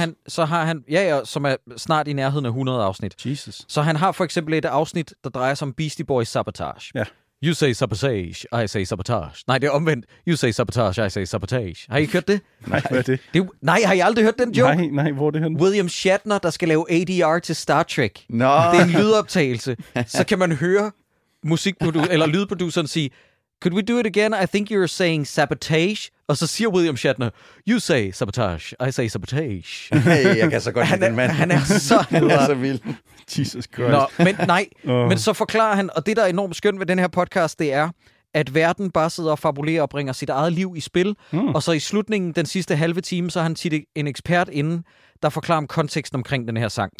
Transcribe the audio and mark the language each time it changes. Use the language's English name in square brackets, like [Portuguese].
[Danish] Så har han, som er snart i nærheden af 100 afsnit. Jesus. Så han har for eksempel et afsnit, der drejer sig om Beastie Boys Sabotage. Ja. [English] You say sabotage, I say sabotage. [Danish] Nej, det er omvendt. [English] You say sabotage, I say sabotage. [Danish] Har I hørt det? Nej, hvad er det? Har I aldrig hørt den joke? Nej, hvor er det henne? William Shatner, der skal lave ADR til Star Trek. Nå. Det er en lydoptagelse. Så kan man høre musikproduceren sige, [English] could we do it again? I think you're saying sabotage. [Danish] Og så siger [English] William Shatner, you say sabotage, I say sabotage. [Danish] Hey, jeg kan så godt lide den mand. Han er så, han er så vild. Jesus Christ. Nå, men nej, men så forklarer han, og det der er enormt skønt ved den her podcast, det er, at verden bare sidder og fabulerer og bringer sit eget liv i spil. Mm. Og så i slutningen, den sidste halve time, så er han tit en ekspert inden, der forklarer om konteksten omkring den her sang.